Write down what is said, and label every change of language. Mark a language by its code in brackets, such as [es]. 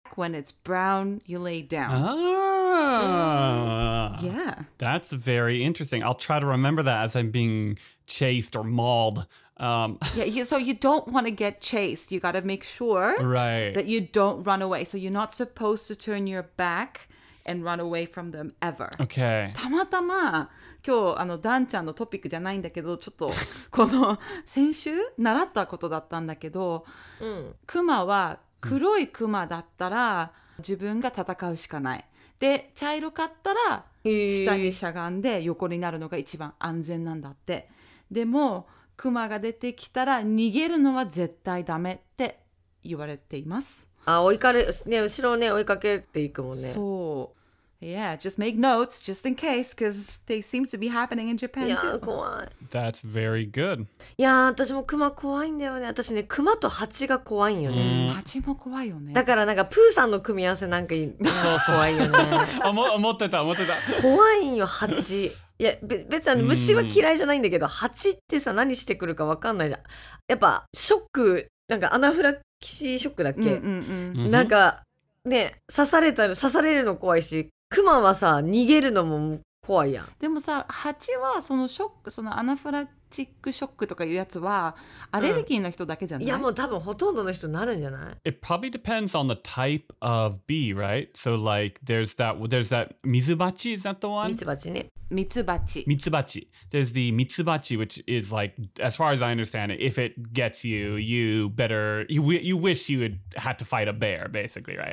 [en] When it's brown, you lay down. Yeah. That's very interesting. I'll try to remember that as I'm being chased or mauled. So you don't want to get chased. You got to make sure that you don't run away. So you're not supposed to turn your back and run away from them ever. Okay. [ja] たまたま今日あのダンちゃんのトピックじゃないんだけど、ちょっとこの先週習ったことだったんだけど、クマは黒いクマだったら自分が戦うしかない。で、茶色かったら下にしゃがんで横になるのが一番安全なんだって。でも、クマが出てきたら逃げるのは絶対ダメって言われています。あ、追いかれ、ね、後ろをね、追いかけていくもんね。そう。 [en] Yeah, just make notes just in case because they seem to be happening in Japan too. [ja] いや、怖い。 [en] That's very good. [ja] いや、私もクマ怖いんだよね。私ね、クマとハチが怖いんよね。ハチも怖いよね。だからなんかプーさんの組み合わせなんかいい。そうそうそう怖いよね。思ってた。怖いんよ、ハチ。いや、別に虫は嫌いじゃないんだけど、ハチってさ、何してくるか分かんないじゃん。やっぱショック、なんかアナフラキシーショックだっけ。なんかね、刺されるの怖いし。クマはさ、逃げるのも怖いやん。でもさ、ハチはそのショック、そのアナフラチックショックとかいうやつはアレルギーの人だけじゃない？いやもう多分ほとんどの人なるんじゃない [en] ？It probably depends on the type of bee, right? So like, there's that ミツバチ, is that the one? [ja] ミツバチね。ミツバチ。ミツバチ。 [en] There's the ミツバチ, which is like, as far as I understand it, if it gets you, you wish you had to fight a bear, basically, right?